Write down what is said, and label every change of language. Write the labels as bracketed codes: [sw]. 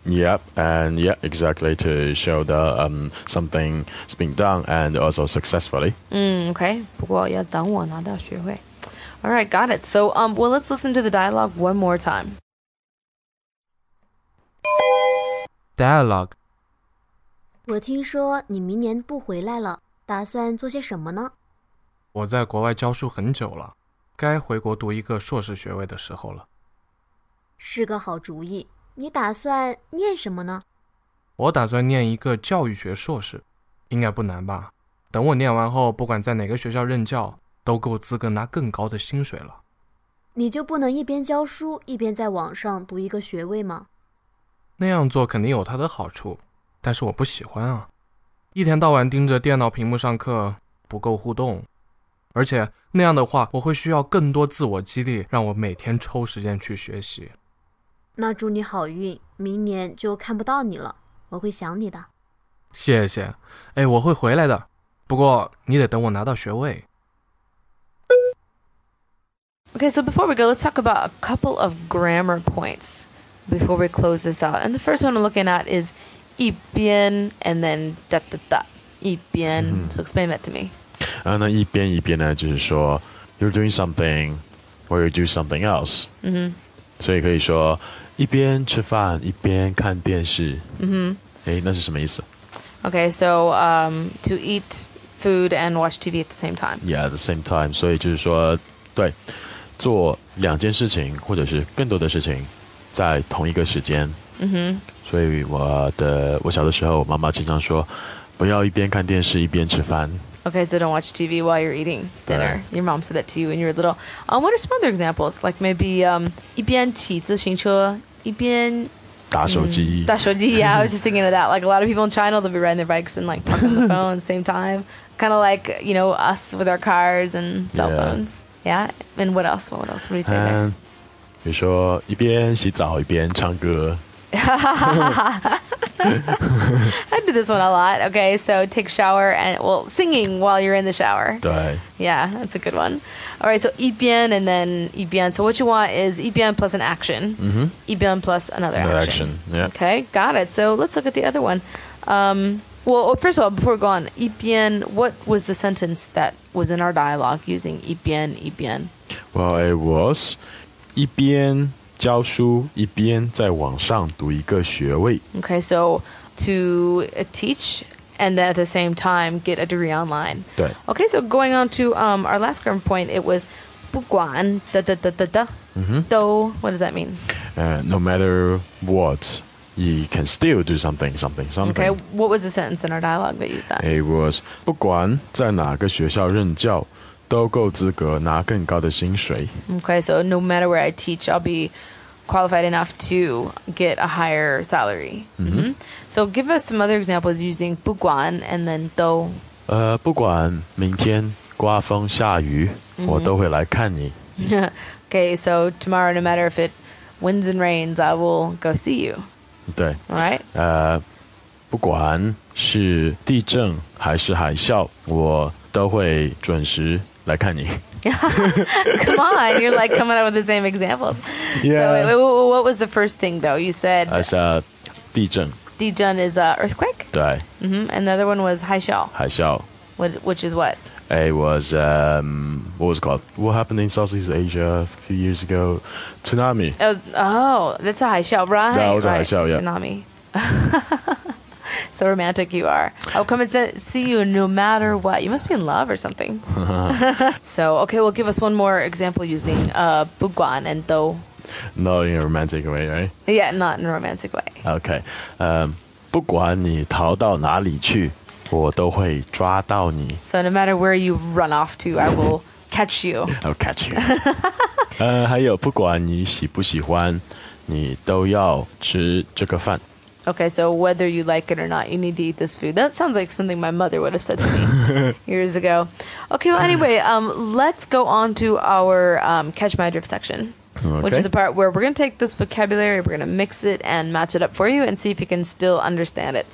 [en] Yep, and yeah, exactly, to show the, something's being done and also successfully. Okay, [zh] 不过要等我拿到学会。 [en] All right, got it. So, well, let's listen to the dialogue one more time. Dialogue. [zh] 我听说你明年不回来了，打算做些什么呢？我在国外教书很久了，该回国读一个硕士学位的时候了。是个好主意，你打算念什么呢？我打算念一个教育学硕士，应该不难吧？等我念完后，不管在哪个学校任教，都够资格拿更高的薪水了。你就不能一边教书，一边在网上读一个学位吗？那样做肯定有它的好处，但是我不喜欢啊。一天到晚盯着电脑屏幕上课，不够互动。而且那样的话，我会需要更多自我激励，让我每天抽时间去学习。那祝你好运，明年就看不到你了，我会想你的。谢谢，哎，我会回来的，不过你得等我拿到学位。 [en] Okay, so before we go, let's talk about a couple of grammar points before we close this out. And the first one I'm looking at is 一边 and then 哒哒哒 一边 So explain that to me. [zh] 那一边一边呢就是说 [en] You're doing something Or you do something else、 [zh] 所以可以说一边吃饭一边看电视、那是什么意思 [en] Okay, so、to eat food and watch TV at the same time Yeah, at the same time [zh] 所以就是说对做两件事情或者是更多的事情在同一个时间、所以我小的时候，我妈妈经常说，不要一边看电视一边吃饭。 [en] Okay, so don't watch TV while you're eating dinner. Right. Your mom said that to you when you were little. What are some other examples? Like maybe [zh] 一边骑自行车一边打手机。 [en] 打手机, yeah, I was just thinking of that. Like a lot of people in China, they'll be riding their bikes and like talking on the phone at the same time. Kind of like, you know, us with our cars and cell phones. Yeah. Yeah? And what else? What else? What do you say there? [zh] 比如说一边洗澡一边唱歌。 [en] I do this one a lot. Okay, so take shower and, well, singing while you're in the shower. [zh] 对. [en] Yeah, that's a good one. All right, so 一边 and then 一边. So what you want is 一边 plus an action. 一边 plus another action. Yeah. Okay, got it. So let's look at the other one. Well, first of all, before we go on, 一边, what was the sentence that was in our dialogue using 一边, 一边? Well, it was [zh] 一边教书一边在网上读一个学位。 [en] Okay, so to teach and then at the same time get a degree online. [zh] 对。 [en] Okay, so going on to our last grammar point, it was 不管哒哒哒哒哒都 what does that mean? No matter what, you can still do something, something, something. Okay, what was the sentence in our dialogue that used that? It was [zh] 不管在哪个学校任教。都够资格拿更高的薪水。 [en] Okay, so no matter where I teach, I'll be qualified enough to get a higher salary. Mm-hmm. So give us some other examples using 不管 and then 都。 [zh] 不管明天刮风下雨，我都会来看你。 [en] Okay, so tomorrow, no matter if it winds and rains, I will go see you. [zh] 对。 [en] All right. [zh] 不管是地震还是海啸，我都会准时来看你。 [en] Come on, you're like coming up with the same examples. Yeah. So wait, what was the first thing though? You said... I said 地震. 地震 is earthquake? [zh] 对. [en] Mm-hmm. And the other one was 海啸. [zh] 海啸. [en] Which is what? It was... what was it called? What happened in Southeast Asia a few years ago? Tsunami. Oh, that's a 海啸, right? That was a 海啸, yeah. Tsunami. So romantic you are. I'll come and see you no matter what. You must be in love or something. So, okay, well, give us one more example using 不管 and 都. Not in a romantic way, right? Yeah, not in a romantic way. Okay. [zh] 不管你逃到哪里去，我都会抓到你。 [en] So no matter where you run off to, I will catch you. I'll catch you. [zh] 还有不管你喜不喜欢，你都要吃这个饭。 [en] Okay, so whether you like it or not, you need to eat this food. That sounds like something my mother would have said to me years ago. Okay, well, anyway, let's go on to our Catch My Drift section, okay. Which is a part where we're going to take this vocabulary, we're going to mix it and match it up for you and see if you can still understand it.